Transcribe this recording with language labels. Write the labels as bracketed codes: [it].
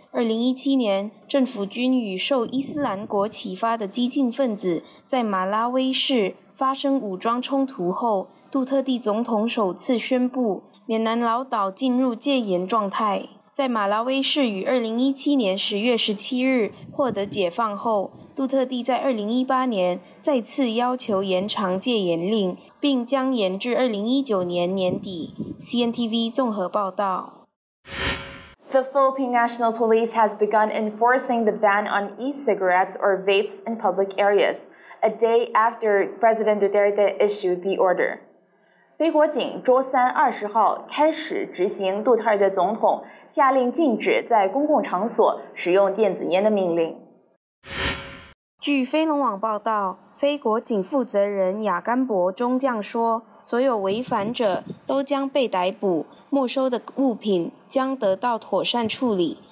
[zh] 2017年，政府军与受伊斯兰国启发的激进分子在马拉威市发生武装冲突后，杜特地总统首次宣布缅南老岛进入戒严状态。在马拉威市于2017年10月17日获得解放后，杜特地在2018年再次要求延长戒严令，并将延至2019年年底。 CNTV 综合报道。 [en] The Philippine National Police has begun enforcing the ban on e-cigarettes or vapes in public areas, a day after President Duterte issued the order. [zh] 菲国警周三20号开始执行杜特尔特总统下令禁止在公共场所使用电子烟的命令。据菲龙网报道，菲国警负责人雅甘博中将说，所有违反者都将被逮捕，没收的物品将得到妥善处理。